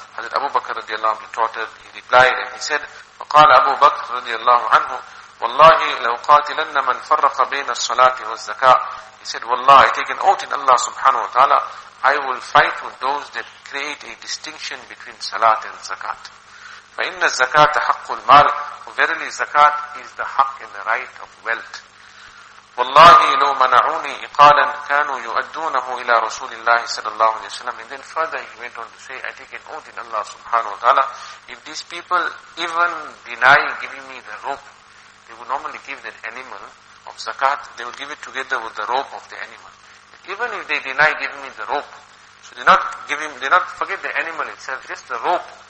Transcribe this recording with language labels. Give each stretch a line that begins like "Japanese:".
English: Hazrat Abu Bakr radiallahu anhu retorted, he replied and he said, وقال Abu Bakr radiallahu anhu,
Arabic: والله لو قاتلنا من فرق بين الصلاة والزكاة.
English: He said, والله, I take an oath in Allah subhanahu wa ta'ala, I will fight with those that create a distinction between salat and zakat.
Arabic: فَإِنَّ الزَّكَاةَ حَقُّ الْمَالِ.
English: For verily zakat is the haqq and the right of wealth.
Arabic: والله لو منعوني إقالا كانوا يؤدونه إلى رسول الله صلى الله عليه وسلم.
English: And then further he went on to say, I take an oath in Allah subhanahu wa ta'ala, if these people even deny giving me the rope, they would normally give that animal of zakat, they would give it together with the rope of the animal. Even if they deny giving me the rope, so they not forget the animal itself, just the rope.